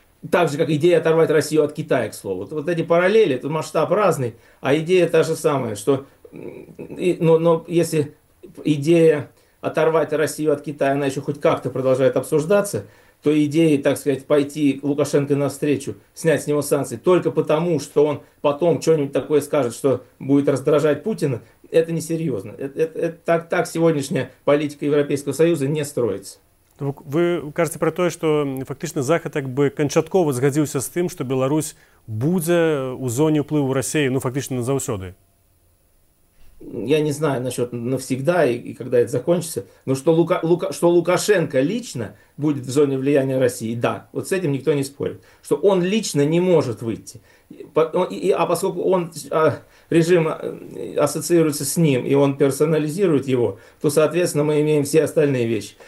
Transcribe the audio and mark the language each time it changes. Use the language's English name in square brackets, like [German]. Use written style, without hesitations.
[Russian] Так же, как идея оторвать Россию от Китая, к слову. Вот эти параллели, тут масштаб разный, а идея та же самая, что но если идея оторвать Россию от Китая, она еще хоть как-то продолжает обсуждаться, то идея, так сказать, пойти Лукашенко навстречу, снять с него санкции только потому, что он потом что-нибудь такое скажет, что будет раздражать Путина, это несерьезно. Так сегодняшняя политика Европейского Союза не строится. [Belarusian] Вы кажете про тое, што фактычна Захад як бы канчаткова згадзіўся з тым, што Беларусь будзе ў зоне ўплыву Расіі, ну фактычна назаўсёды. [Russian] Я не знаю насчет навсегда и когда это закончится, но что Лукашенко лично будет в зоне влияния России, да, вот с этим никто не спорит, что он лично не может выйти. А поскольку режим ассоциируется с ним, и он персонализирует его, то, соответственно, мы имеем все остальные вещи.